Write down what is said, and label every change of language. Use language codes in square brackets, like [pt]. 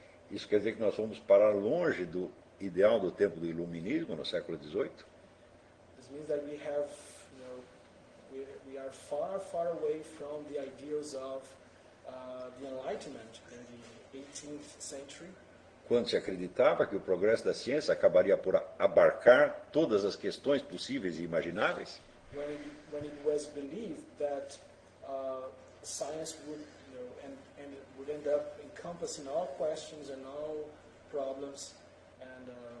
[pt] Isso quer dizer que nós vamos parar longe do ideal do tempo do iluminismo no século XVIII? [en] This means that we have, you know, we are far, far away from the ideals of the Enlightenment in the 18th century. [pt] Quando se acreditava que o progresso da ciência acabaria por abarcar todas as questões possíveis e imagináveis. [en] When it was believed that science would, you know, and it would end up encompassing all questions and all problems and